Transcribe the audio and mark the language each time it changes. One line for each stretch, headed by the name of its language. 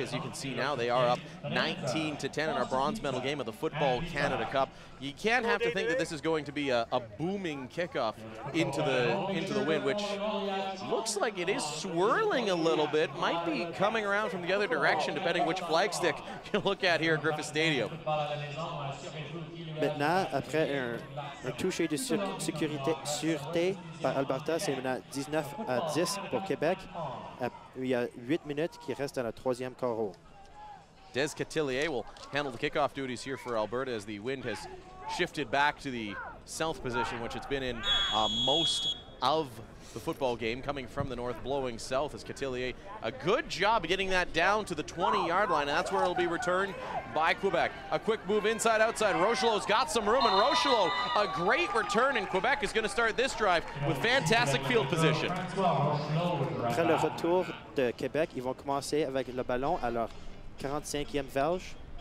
English: As you can see now, they are up 19-10 in our bronze medal game of the Football Canada Cup. You can't have to think that this is going to be a booming kickoff into the wind, which looks like it is swirling a little bit. Might be coming around from the other direction, depending which flag stick you look at here at Griffith Stadium.
French: Maintenant, après un toucher de sûreté par Alberta, c'est maintenant 19-10 pour Québec. Il y a 8 minutes qui restent dans le troisième carreau.
English: Des Catillier will handle the kickoff duties here for Alberta as the wind has shifted back to the south position, which it's been in most of the football game coming from the north, blowing south as Cattelier. A good job getting that down to the 20-yard line, and that's where it'll be returned by Quebec. A quick move inside, outside. Rochelot's got some room, and Rochelot, a great return, and Quebec is going to start this drive with fantastic field position.
French: Après le retour de Québec, ils vont commencer avec le ballon à leur 45e verge.